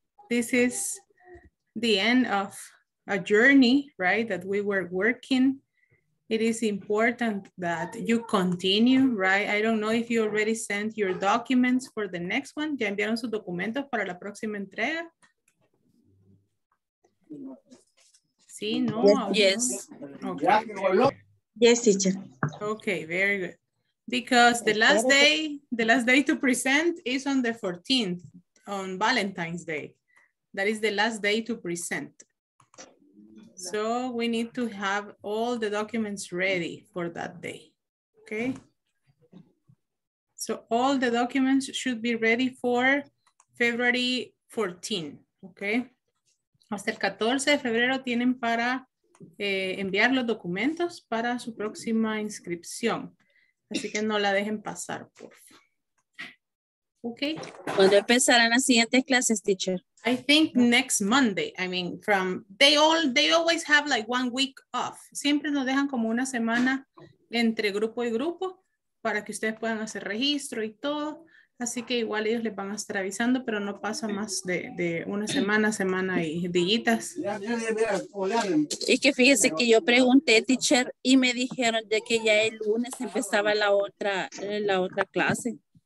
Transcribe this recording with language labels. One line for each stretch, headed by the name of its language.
English: This is the end of a journey, right, that we were working. It is important that you continue, right? I don't know if you already sent your documents for the next one.
Spanish: ¿Ya enviaron sus documentos para la próxima entrega? Sí, no.
English: Yes. Okay. Yes, teacher. Okay, very good. Because the last day to present is on the 14th, on Valentine's Day. That is the last day to present. So we need to have all the documents ready for that day, okay? So all the documents should be ready for February 14, okay?
Spanish: Hasta el 14 de febrero tienen para enviar los documentos para su próxima inscripción. Así que no la dejen pasar, por favor. Okay. ¿Cuándo empezarán las siguientes clases, teacher?
English: I think next Monday. I mean, from they always have like 1 week off.
Spanish: Siempre nos dejan como una semana entre grupo y grupo para que ustedes puedan hacer registro y todo. Así que igual ellos les van a estar avisando, pero no pasa más de una semana, semana y dillitas. Y que fíjese que yo pregunté, teacher, y me dijeron de que ya el lunes empezaba la otra clase.